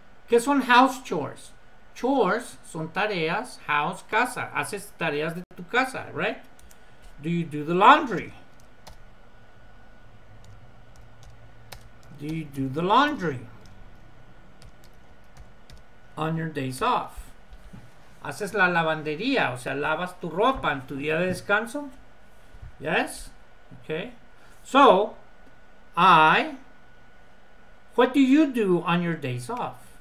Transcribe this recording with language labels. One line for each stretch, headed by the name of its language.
Spanish: ¿Qué son house chores? Chores son tareas, house, casa. Haces tareas de tu casa,
English: right? Do you do the laundry? Do you do the laundry on your days off?
Spanish: Haces la lavandería, o sea, lavas tu ropa en tu día de descanso.
English: Yes? Okay. So, what do you do on your days off?